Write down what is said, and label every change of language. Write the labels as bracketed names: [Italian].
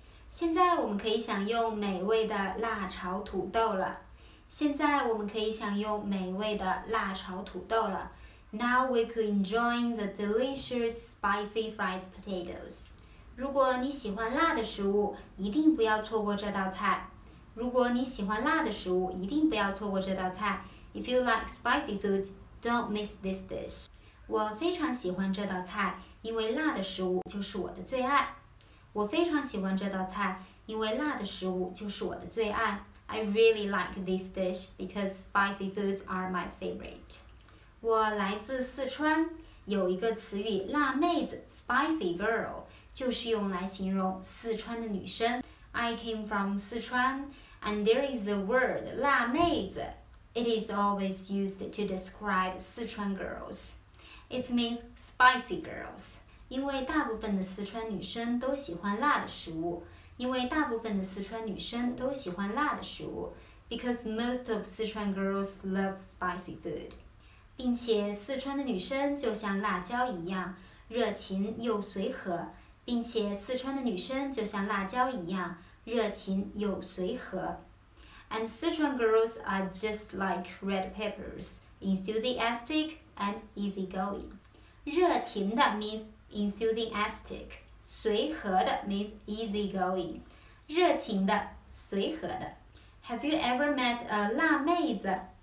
[Chinese] 现在我们可以享用美味的辣炒土豆了。现在我们可以享用美味的辣炒土豆了。 [English] Now we could enjoy the delicious spicy fried potatoes. [Chinese] 如果你喜欢辣的食物，一定不要错过这道菜。如果你喜欢辣的食物，一定不要错过这道菜。 [English] If you like spicy food, don't miss this dish. [Chinese] 我非常喜欢这道菜，因为辣的食物就是我的最爱。我非常喜欢这道菜，因为辣的食物就是我的最爱。 [English] I really like this dish because spicy foods are my favorite. [Chinese] 我来自四川。有一个词语辣妹子 [English] spicy girl [Chinese] 就是用来形容四川的女生 [English] I came from 四川 and there is a word 辣妹子 It is always used to describe 四川 girls It means spicy girls [Chinese] 因为大部分的四川女生都喜欢辣的食物因为大部分的四川女生都喜欢辣的食物 [English] Because most of 四川 girls love spicy food [Chinese] 并且四川的女生就像辣椒一样热情又随和并且四川的女生就像辣椒一样热情又随和 [English] And Sichuan girls are just like red peppers, enthusiastic and easygoing. 热情的 means enthusiastic, 随和的 means easygoing. [Chinese] 热情的随和的 [English] Have you ever met a 辣妹子